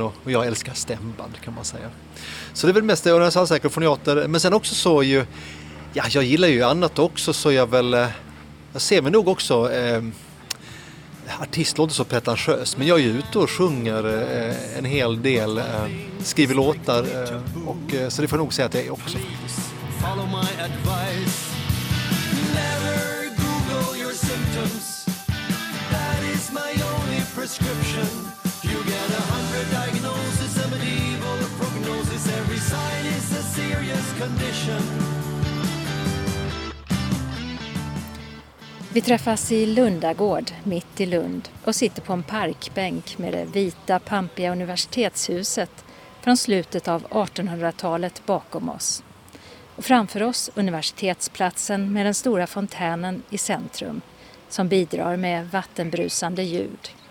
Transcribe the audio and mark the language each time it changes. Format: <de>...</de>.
<sv>Och jag älskar stämband kan man säga. Så det är väl mest öronäsvalsläkare och foniater. Men sen också så är ju... Ja, jag gillar ju annat också, så jag ser mig nog också, artist låter så pretentiös, men jag är ju ute och sjunger en hel del, skriver låtar, och så det får nog säga att jag är också.</sv> <en>Follow my advice, never google your symptoms, that is my only prescription, you get 100 diagnoses, a medieval prognosis, every sign is a serious condition.</en> <sv>Vi träffas i Lundagård, mitt i Lund, och sitter på en parkbänk med det vita, pampiga universitetshuset från slutet av 1800-talet bakom oss. Och framför oss universitetsplatsen med den stora fontänen i centrum som bidrar med vattenbrusande ljud.</sv>